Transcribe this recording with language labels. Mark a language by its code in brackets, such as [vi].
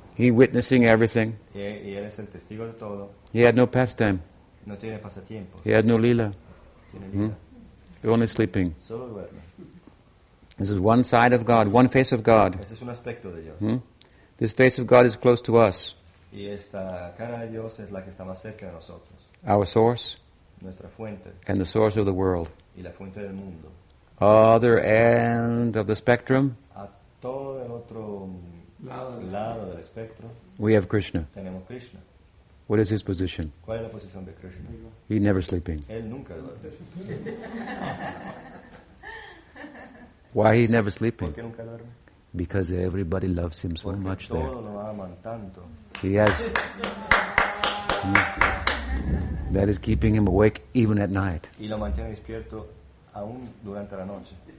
[en] He witnessing everything. [es] Y él es el testigo de todo. [en] He had no pastime. [es] No tiene pasatiempo. [en] He had no lila. [es] Tiene lila. [en] Only sleeping. [es] Solo duerme. [en] This is one side of God, one face of God. [es] Ese es un aspecto de Dios. [en] This face of God is close to us. [es] Y esta cara de Dios es la que está más cerca de nosotros. [en] Our source. [es] Nuestra fuente. [en] And the source of the world. [es] Y la fuente del mundo. [en] Other end of the spectrum. [es] A todo el otro lado del espectro. [en] We have Krishna. [es] Tenemos Krishna. [en] What is his position? [es] ¿Cuál es la posición de Krishna? [en] He's never sleeping. [es] Él nunca duerme. [en] Why he's never sleeping? [es] ¿Por qué nunca duerme? [en] Because everybody loves him so [es] porque [en] much [es] todo [en] there. [es] Lo aman tanto. [en] He has. That is keeping him awake even at night. [es] Y lo mantiene despierto aún durante la noche.